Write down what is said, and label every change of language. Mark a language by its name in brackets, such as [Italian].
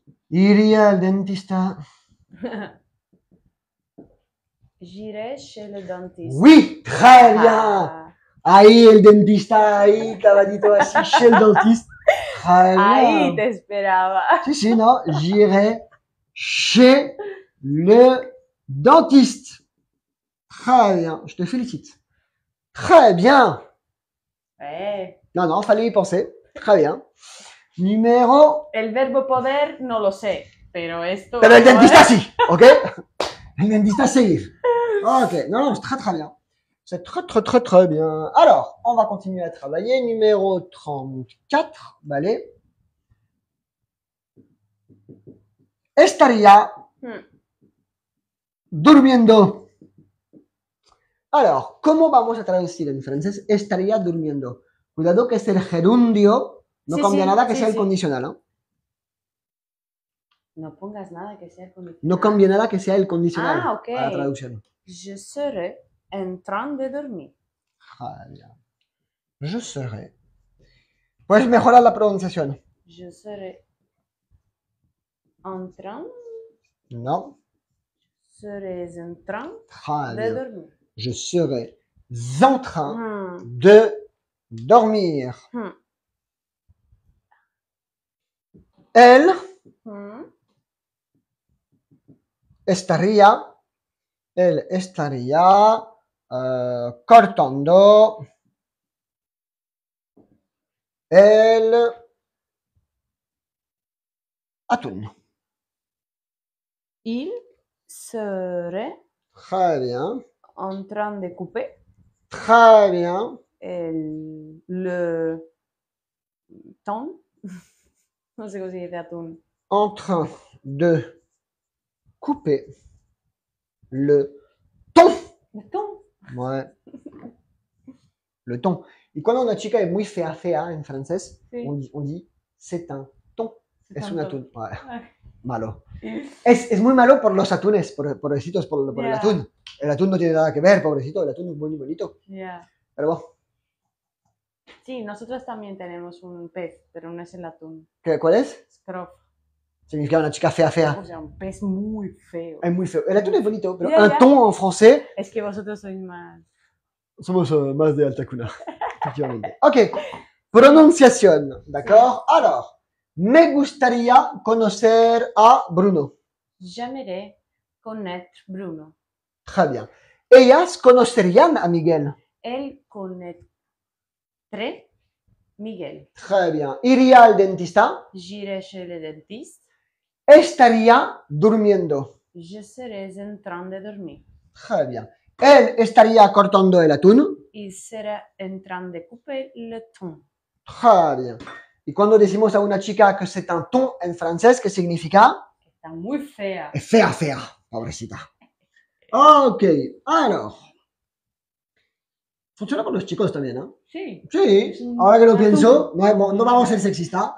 [Spanish] Iría al dentista. [French] J'irai chez le dentiste. Oui, très bien. [Spanish] Ahí el dentista, ahí, caballito así, [French] chez le dentiste. [Spanish] Ahí te esperaba. Sí, sí, no, [French] j'irai chez le dentiste. Très bien, je te félicite. Très bien. Ouais. Non, non, fallait y penser. Très bien. Numéro... [Spanish] El verbo poder, no lo sé, pero esto... Pero el dentista sí, ok. El dentista sí. [French] Ok, non, non, c'est très très bien. C'est très très très très bien. Alors, on va continuer à travailler. Numéro 34, allez. [Spanish] Estaría durmiendo. [French] Alors, comment [Spanish] vamos a traducir en francés estaría durmiendo? Cuidado que es el gerundio, no sí, cambia sí, nada que sí, sea sí. El condicional. ¿Eh? No pongas nada que sea el condicional. No cambia nada que sea el condicional okay. Para la traducción. [French] Je serai en train de dormir. Jaja. Je serai. [Spanish] Puedes mejorar la pronunciación. [French] Je serai en train. No. Serais en train Jaja. De dormir. Je serai en train de dormir. [Spanish] Elle estaría, elle estaría cortando el atún. [French] Il serait. Très bien. En train de couper. Très bien. El, le thon. [Spanish] No sé cómo se dice atún. [French] En train de couper le thon. Le thon. Ouais. Le thon. [Spanish] Y cuando una chica es muy fea, fea en francés, sí. [French] On dit c'est un thon. C'est [Spanish] es un atún. [French] Ouais. Ah. [Spanish] Malo. Es muy malo por los atunes, pobrecitos, por el atún. El atún no tiene nada que ver, pobrecito. El atún es muy bonito. [English] Yeah. [Spanish] Pero vos. Sí, nosotros también tenemos un pez, pero no es el atún. ¿Qué, ¿cuál es? Scrof. Significa una chica fea, fea. O sea, un pez muy feo. Es muy feo. El atún es bonito, pero yeah, un yeah. Thon en francés. Es que vosotros sois más. Somos más de alta cuna. Efectivamente. Ok. Pronunciación. D'accord. Sí. Alors. Me gustaría conocer a Bruno. [French] J'aimerais connaître Bruno. Très bien. [Spanish] ¿Ellas conocerían a Miguel? Él conoce Miguel. [French] Très bien. [Spanish] ¿Iría al dentista? [French] J'irai chez le dentiste. [Spanish] ¿Estaría durmiendo? [French] Je serais en train de dormir. Très bien. [Spanish] ¿Él estaría cortando el atún? [French] Il serait en train de couper le thon. Très bien. [Spanish] Y cuando decimos a una chica que [French] c'est un thon [Spanish] en francés, ¿qué significa? Está muy fea. Es fea, fea, pobrecita. Ok, alors. Funciona con los chicos también, ¿no? Sí. Sí, ahora que lo pienso, no vamos a ser sexista.